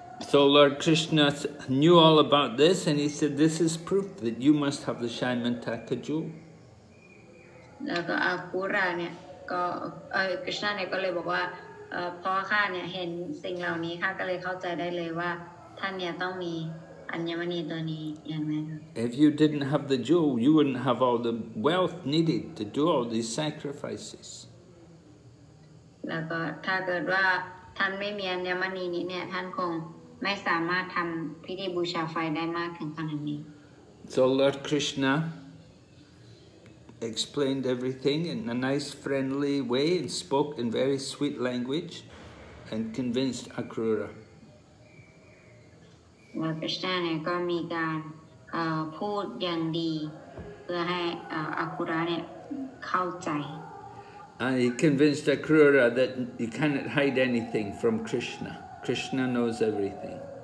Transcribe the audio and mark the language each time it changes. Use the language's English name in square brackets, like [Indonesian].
[English] So Lord Krishna knew all about this, and he said, "This is proof that you must have the Shyamantaka jewel." [Thai] แล้วก็อาคุระเนี่ยก็คริสนาเนี่ยก็เลยบอกว่าพอข้าเนี่ยเห็นสิ่งเหล่านี้ข้าก็เลยเข้าใจได้เลยว่าท่านเนี่ยต้องมีอัญมณีตัวนี้อย่างแน่ [English] If you didn't have the jewel, you wouldn't have all the wealth needed to do all these sacrifices. [Thai] แล้วก็ถ้าเกิดว่า ท่านไม่มีอัญมณีนี้เนี่ยท่านคงไม่สามารถทำพิธีบูชาไฟได้มากถึงขนาดนี้ [English] So Lord Krishna explained everything in a nice friendly way and spoke in very sweet language and convinced Akrura [Thai] ว่าพระเจ้าเนี่ยก็มีการพูดอย่างดีเพื่อให้อคุระเนี่ยเข้าใจ [English] He convinced Akrura that he cannot hide anything from Krishna. Krishna knows everything.